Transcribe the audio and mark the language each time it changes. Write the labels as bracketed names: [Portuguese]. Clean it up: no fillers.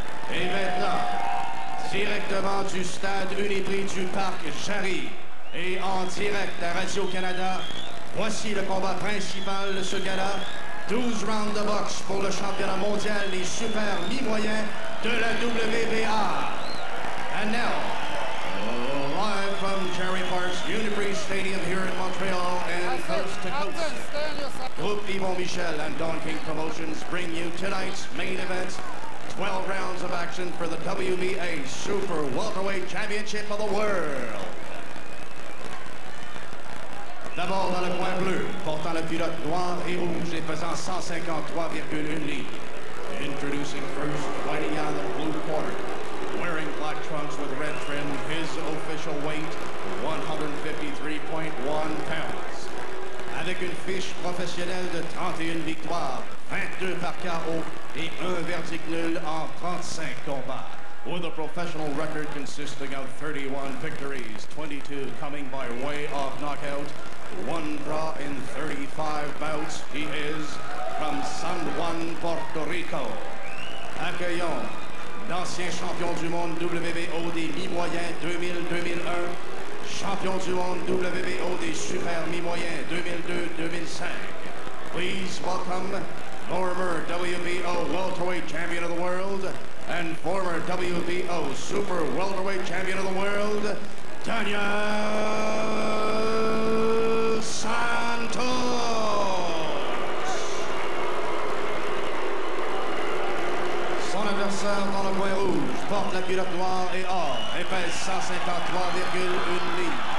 [French] Et maintenant, directement du stade Uniprix du Parc Jarry et en direct à Radio-Canada, voici le combat principal de ce gala. 12 rounds de boxe pour le championnat mondial des super mi-moyens de la WBA. [English] And now, live from Jerry Park's Uniprix Stadium here in Montreal and coast to coast, Group Yvon Michel and Don King Promotions bring you tonight's main event, 12 rounds of action for the WBA Super Welterweight Championship of the World. [French] D'abord dans le coin bleu, portant le culotte noir et rouge et pesant 153,1 livres. [English] Introducing first, fighting out of the blue corner, wearing black trunks with red trim, his official weight, 153.1 pounds. [French] Avec une fiche professionnelle de 31 victoires, 22 par KO et un verdict nul en 35 combats. [English] With a professional record consisting of 31 victories, 22 coming by way of knockout, one draw in 35 bouts, he is from San Juan, Puerto Rico. [French] Accueillons l'ancien champion du monde WBO des mi-moyens 2000-2001, champion du monde WBO des super mi-moyens 2002-2005. [English] Please welcome former WBO welterweight champion of the world and former WBO super welterweight champion of the world, Daniel Santos. [French] Son adversaire dans le coin rouge porte la culotte noire et or et pèse 153,1 livres.